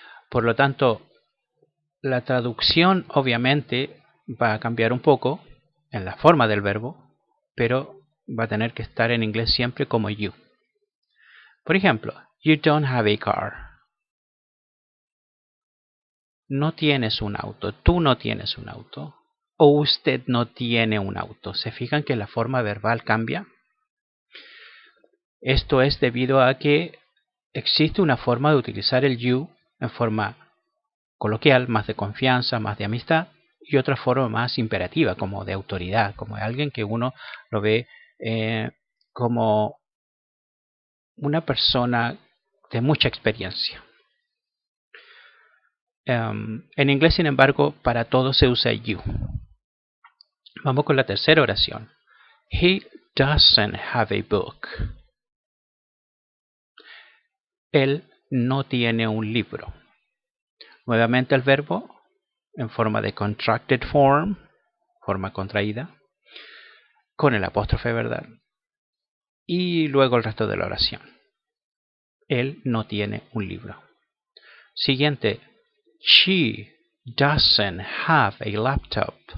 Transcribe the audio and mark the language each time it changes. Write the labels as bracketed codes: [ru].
[es] Por lo tanto, la traducción obviamente va a cambiar un poco en la forma del verbo, pero va a tener que estar en inglés siempre como you. Por ejemplo, [en] you don't have a car. [es] No tienes un auto, tú no tienes un auto, o usted no tiene un auto. ¿Se fijan que la forma verbal cambia? Esto es debido a que existe una forma de utilizar el you en forma coloquial, más de confianza, más de amistad, y otra forma más imperativa, como de autoridad, como de alguien que uno lo ve como una persona de mucha experiencia. En inglés, sin embargo, para todo se usa you. Vamos con la tercera oración. [en] He doesn't have a book. [es] Él no tiene un libro. Nuevamente el verbo, en forma de contracted form, forma contraída, con el apóstrofe, ¿verdad? Y luego el resto de la oración. Él no tiene un libro. Siguiente. [en] She doesn't have a laptop.